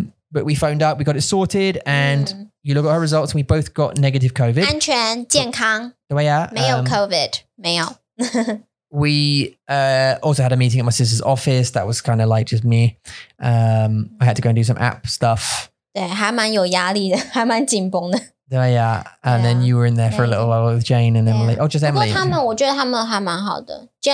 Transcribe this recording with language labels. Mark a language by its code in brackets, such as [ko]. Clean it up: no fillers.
[en] But we phoned up, we got it sorted, and you look at her results, and we both got negative COVID. [zh] 安全健康, 对啊，没有COVID, 没有。 [en] We also had a meeting at my sister's office. That was kind of like just me. I had to go and do some app stuff. [zh] 对，还蛮有压力的，还蛮紧绷的。 [en] Then you were in there for a little while with Jane and Emily. Oh, just Emily. [zh] 不过他们，我觉得他们还蛮好的。